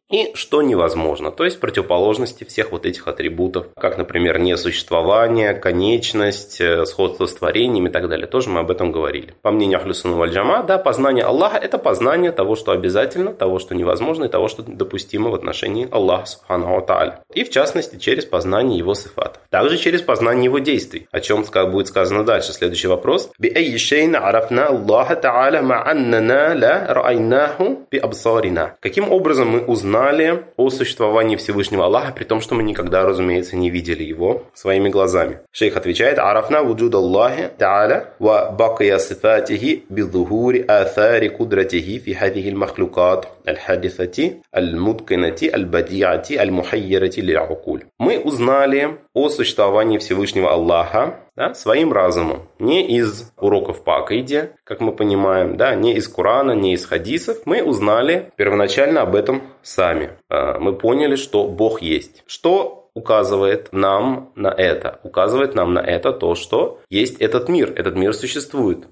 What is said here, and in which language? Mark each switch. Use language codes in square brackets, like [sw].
[ru] И что невозможно, то есть противоположности всех вот этих атрибутов, как, например, несуществование, конечность, сходство с творением и так далее. Тоже мы об этом говорили. По мнению Ахлю Сунна валь Джама, да, познание Аллаха – это познание того, что обязательно, того, что невозможно, и того, что допустимо в отношении Аллаха Субханаху Тааля. И в частности, через познание его сифат. Также через познание его действий, о чем будет сказано дальше. Следующий вопрос. [ar] بأي شيء عرفنا الله تعالى مع أننا لا رأيناه بأبصارنا. [ru] Каким образом мы узнали о существовании Всевышнего Аллаха, при том, что мы никогда, разумеется, не видели его своими глазами? Шейх отвечает: [ar] عرفنا وجود الله تعالى وبقي صفاته بظهور آثار قدرته في هذه المخلوقات الحادثة المتقنة البديعة المحيرة للعقول. [ru] Мы узнали о существовании Всевышнего Аллаха, да, своим разумом, не из уроков по акиде, как мы понимаем, да, не из Корана, не из хадисов. Мы узнали первоначально об этом сами. Мы поняли, что Бог есть. Что указывает нам на это? Указывает нам на это то, что есть этот мир существует.